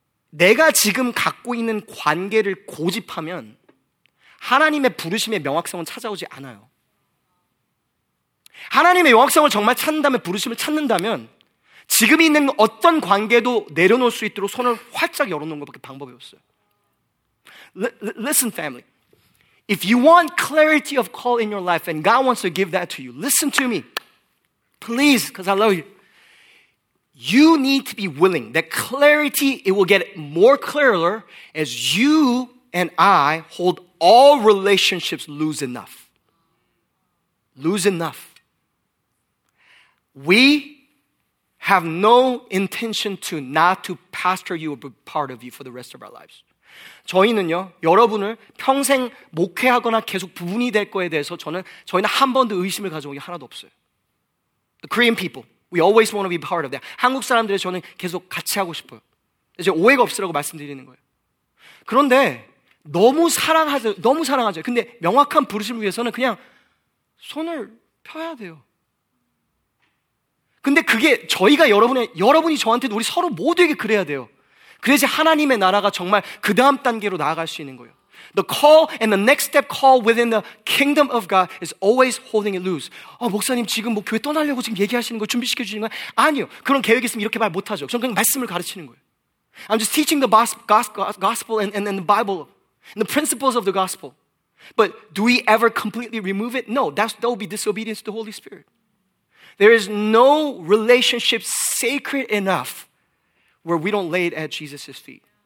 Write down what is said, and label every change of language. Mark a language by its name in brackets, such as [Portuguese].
[Korean] 내가 지금 갖고 있는 관계를 고집하면 하나님의 부르심의 명확성은 찾아오지 않아요. 하나님의 명확성을 정말 찾는다면, 부르심을 찾는다면 지금 있는 어떤 관계도 내려놓을 수 있도록 손을 활짝 열어놓는 것밖에 방법이 없어요. [English] Listen, family. If you want clarity of call in your life and God wants to give that to you, listen to me. Please, because I love you. You need to be willing. That clarity, it will get more clearer as you and I hold all relationships loose enough. Loose enough. We have no intention to not to pastor you or be part of you for the rest of our lives. [Korean] 저희는요, 여러분을 평생 목회하거나 계속 부분이 될 거에 대해서 저희는 한 번도 의심을 가져온 게 하나도 없어요. [English] The Korean people, we always want to be part of that. [Korean] 한국 사람들의 저는 계속 같이 하고 싶어요. 이제 오해가 없으라고 말씀드리는 거예요. 그런데 너무 사랑하죠. 너무 사랑하죠. 근데 명확한 부르심을 위해서는 그냥 손을 펴야 돼요. 근데 그게 저희가 여러분이 저한테도 우리 서로 모두에게 그래야 돼요. 그래야지 하나님의 나라가 정말 그 다음 단계로 나아갈 수 있는 거예요. [English] The call and the next step call within the kingdom of God is always holding it loose. [Korean] 목사님 지금 뭐 교회 떠나려고 지금 얘기하시는 거 준비시켜 주시는 거예요? 아니요. 그런 계획 있으면 이렇게 말 못하죠. 저는 그냥 말씀을 가르치는 거예요. [English] I'm just teaching the gospel and the Bible and the principles of the gospel. But do we ever completely remove it? No, that would be disobedience to the Holy Spirit. There is no relationship sacred enough where we don't lay it at Jesus' feet.